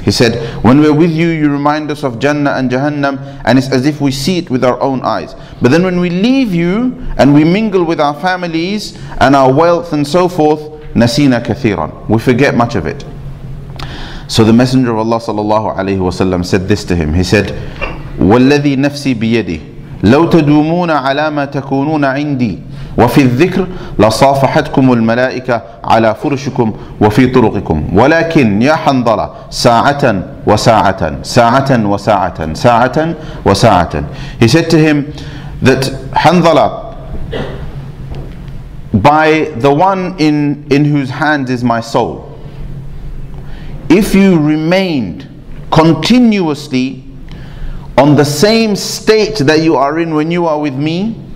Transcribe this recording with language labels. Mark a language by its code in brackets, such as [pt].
[en] He said, "When we're with you, you remind us of Jannah and Jahannam, and it's as if we see it with our own eyes. But then when we leave you and we mingle with our families and our wealth and so forth, [ar] نسينا كثيرا. [en] We forget much of it. So the Messenger of Allah sallallahu alayhi wasallam said this to him. He said, [ar] والذي نفسي بيدي لو تدومون على ما تكونون عندي وفي الذكر لصافحتكم الملائكة على فرشكم وفي طرقكم ولكن يا حنظلة ساعة وساعة ساعة وساعة ساعة وساعة. [en] He said to him that Hanzala, by the one in whose hands is my soul, if you remained continuously on the same state that you are in when you are with me,